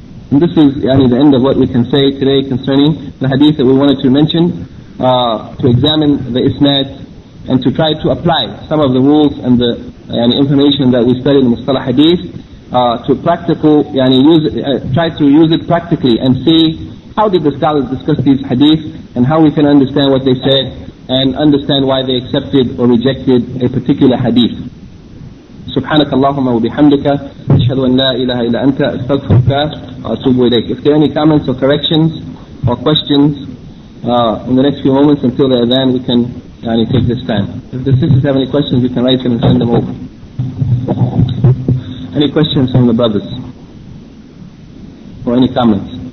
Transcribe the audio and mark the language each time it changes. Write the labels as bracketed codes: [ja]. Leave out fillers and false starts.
[en] And this is yani, the end of what we can say today concerning the hadith that we wanted to mention, to examine the isnad and to try to apply some of the rules and the yani, information that we study in the Mustalah hadith to practical, yani, try to use it practically and see how did the scholars discuss these hadith and how we can understand what they said and understand why they accepted or rejected a particular hadith. [ar] سبحانك اللهم وبحمدك أشهد أن لا إله إلا أنت أستغفرك وأتوب إليك. [en] If there are any comments or corrections or questions in the next few moments until the adhan, we can yani, take this time. If the sisters have any questions, you can write them and send them over. Any questions from the brothers? Or any comments?